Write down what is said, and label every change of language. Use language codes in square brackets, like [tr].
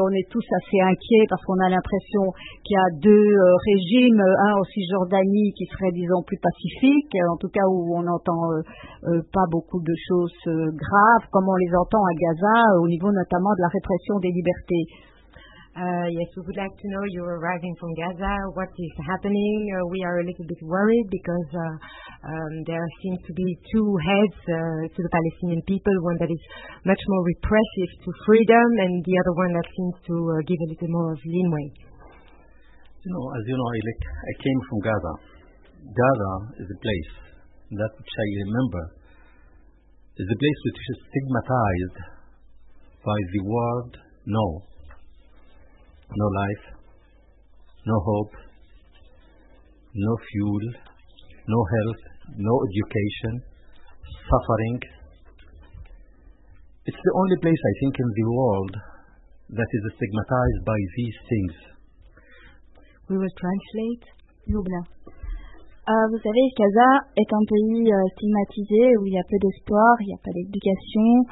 [fr] On est tous assez inquiets parce qu'on a l'impression qu'il y a deux régimes, un en Cisjordanie qui serait, disons, plus pacifique, en tout cas où on n'entend pas beaucoup de choses graves, comme on les entend à Gaza, au niveau notamment de la répression des libertés. [en] Yes, we would like to know, you're arriving from Gaza, what is happening? We are a little bit worried because there seem to be two heads to the Palestinian people, one that is much more repressive to freedom and the other one that seems to give a little more of leeway. You know, as you know, I came from Gaza. Gaza is a place that which I remember is a place which is stigmatized by the word no. No life, no hope, no fuel, no health, no education, suffering. It's the only place, I think, in the world that is stigmatized by these things. We will translate. Loubna. [fr] Vous savez, Gaza est un pays stigmatisé où il y a peu d'espoir, il n'y a pas d'éducation.